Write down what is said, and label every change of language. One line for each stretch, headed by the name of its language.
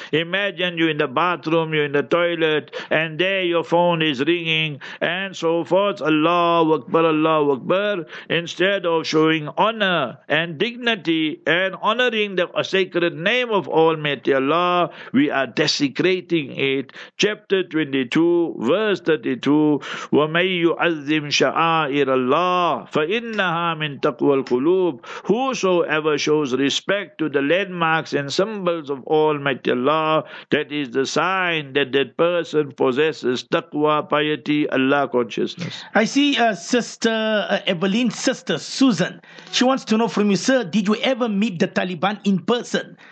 English: Imagine you in the bathroom, you're in the toilet, and there your phone is ringing and so forth. Allahu Akbar, Allahu Akbar. Instead of showing honor and dignity and honoring the sacred name of Almighty Allah, we are desecrating it. Chapter 22, verse 32,
Arabic: وَمَن يُعَذِّمْ شَعَائِرَ اللَّهِ فَإِنَّهَا مِن تَقْوَى الْقُلُوبِ.
English: Whosoever shows respect to the landmarks and symbols of Almighty Allah, that is the sign that that person possesses taqwa, piety, Allah consciousness. I see Sister Evelyn's sister, Susan. She wants to know from you, sir, did you ever meet the Taliban in person?